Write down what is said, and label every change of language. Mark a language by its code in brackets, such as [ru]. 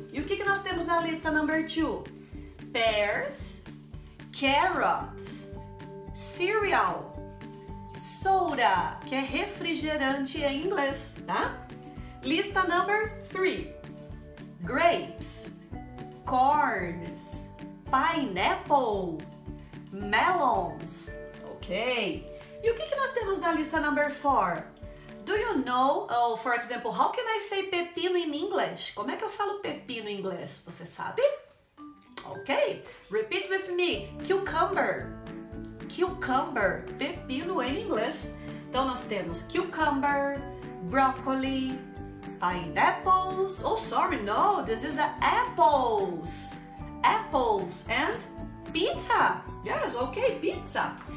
[pt] E o que que nós temos na lista [en] number two? Pears, carrots, cereal, soda, [pt] que é refrigerante em inglês, tá? Lista [en] number 3, grapes, corns, pineapple, melons, ok? [pt] E o que que nós temos na lista number 4? [en] Do you know, oh, for example, how can I say pepino in English? [pt] Como é que eu falo pepino em inglês? Você sabe? [en] Ok, repeat with me, cucumber, cucumber, [pt] pepino em inglês. Então nós temos [en] cucumber, broccoli, pineapples, oh sorry, no, this is a apples, apples and pizza, yes, ok, pizza.